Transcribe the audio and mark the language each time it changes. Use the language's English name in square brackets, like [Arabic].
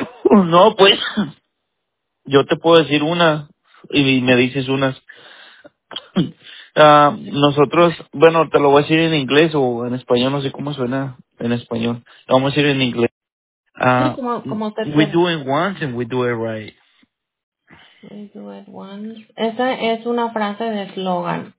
[Spanish] No, pues yo te puedo decir una y me dices unas. Nosotros, bueno, te lo voy a decir en inglés o en español, no sé cómo suena en español. Lo vamos a decir en inglés. Como [English] we do it once and we do it right. We do it once. [Spanish] Esa es una frase de eslogan.